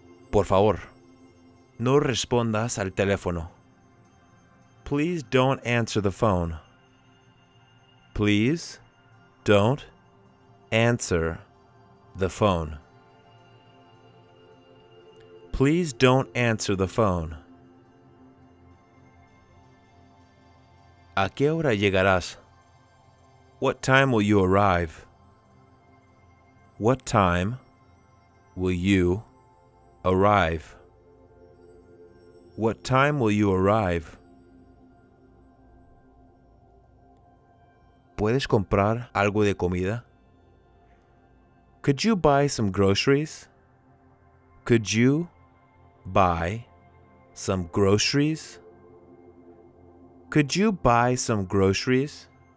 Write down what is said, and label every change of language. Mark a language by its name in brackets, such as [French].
[Spanish] Por favor, no respondas al teléfono. [English] Please don't answer the phone. Please don't answer the phone. Please don't answer the phone. [Spanish] ¿A qué hora llegarás? [English] What time will you arrive? What time will you arrive? What time will you arrive? [Spanish] ¿Puedes comprar algo de comida? [English] Could you buy some groceries? Could you buy some groceries? Could you buy some groceries?